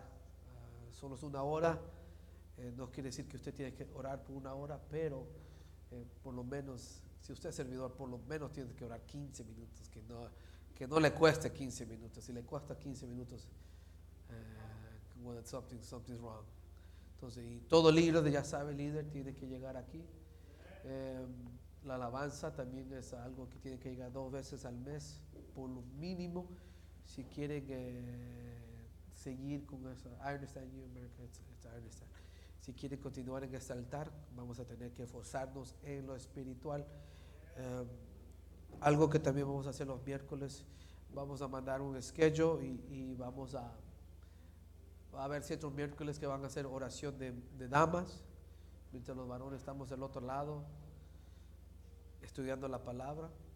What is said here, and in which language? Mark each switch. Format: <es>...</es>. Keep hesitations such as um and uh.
<es>Uh, solo es una hora, eh, no quiere decir que usted tiene que orar por una hora, pero eh, por lo menos, si usted es servidor, por lo menos tiene que orar 15 minutos, que no, que no le cueste 15 minutos. Si le cuesta 15 minutos, uh,</es> <en>well, something, something's wrong.</en> <es>Entonces, y todo líder, ya sabe, líder, tiene que llegar aquí. Um, la alabanza también es algo que tiene que llegar dos veces al mes, por lo mínimo, si quieren eh, seguir con eso.</es> <en>I understand you, America, it's, it's, I understand.</en> <es>Si quieren continuar en este altar, vamos a tener que esforzarnos en lo espiritual. Um, algo que también vamos a hacer los miércoles, vamos a mandar un schedule y, y vamos a, a ver ciertos miércoles que van a hacer oración de, de damas, mientras los varones estamos del otro lado estudiando la palabra.</es>